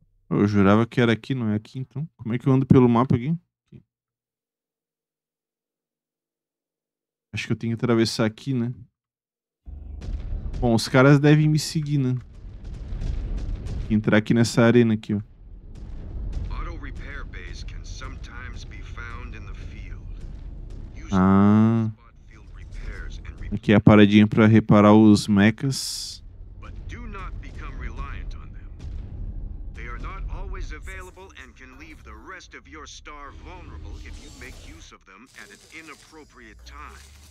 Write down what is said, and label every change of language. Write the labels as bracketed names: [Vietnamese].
[Portuguese] Eu jurava que era aqui, não é aqui então. Como é que eu ando pelo mapa aqui? Acho que eu tenho que atravessar aqui, né? Bom, os caras devem me seguir, né? Tem que entrar aqui nessa arena aqui, ó. [English] Auto repair base can sometimes be found in the field. Ah. [Portuguese] Aqui é a paradinha pra reparar os mechas. [English] But do not become reliant on them. They are not always available and can leave the rest of your star vulnerable if you make use of them at an inappropriate time.